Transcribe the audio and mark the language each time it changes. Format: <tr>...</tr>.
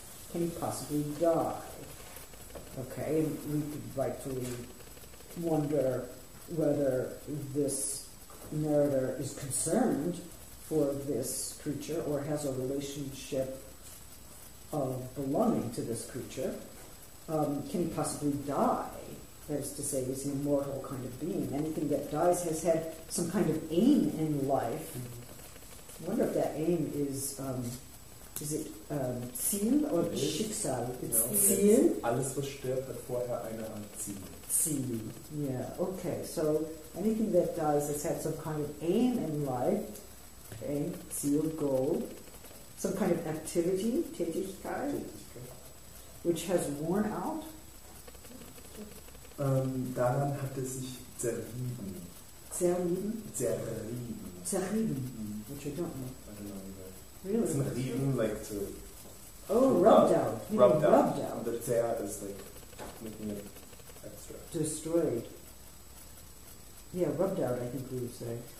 <en>Can he possibly die? Okay, and we could rightfully wonder whether this narrator is concerned for this creature or has a relationship of belonging to this creature. Can he possibly die? That is to say, is he a mortal kind of being? Anything that dies has had some kind of aim in life. I wonder if that aim is it Ziel or Schicksal? It's Ziel?</en> <de>Alles, was stirbt, hat vorher eine Art Ziel.</de> <en>Ziel, yeah, okay. So anything that dies has had some kind of aim in life. Aim, Ziel, goal. Some kind of activity, Tätigkeit, which has worn out.</en> <de>Daran hat es sich zerrieben. Zerrieben? Zerrieben.</de> <en>Zerrieben, which I don't know. Really? It's not even like to... Oh, rubbed out. Rubbed out. The tear is like making it extra. Destroyed. Yeah, rubbed out, I think we would say.</en>